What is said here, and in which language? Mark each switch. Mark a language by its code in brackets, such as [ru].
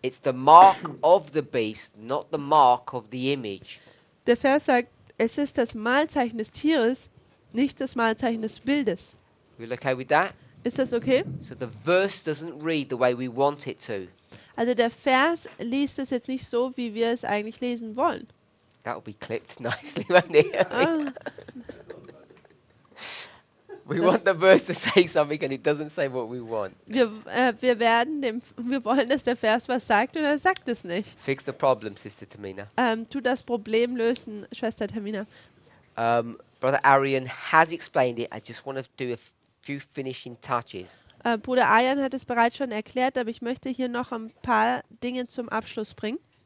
[en] It's the mark of the beast, not the mark of the image. [de] Der Vers sagt, es ist das Malzeichen des Tieres, nicht das Malzeichen des Bildes. [en] We're okay with that? [de] Ist das okay? [en] So the verse doesn't read the way we want it to. [de] Also der Vers liest es jetzt nicht so, wie wir es eigentlich lesen wollen. [en] That will be clipped nicely, won't it? We want the verse to say something and it doesn't say what we want. [de] Wir wollen, dass der Vers was sagt und er sagt es nicht. [en] Fix the problem, Sister Tamina. [de] Tu das Problem lösen, Schwester Tamina. [en] Brother Arian has explained it. I just want to do a few finishing touches. [de] Bruder Arian hat es bereits schon erklärt, aber ich möchte hier noch ein paar Dinge zum Abschluss bringen.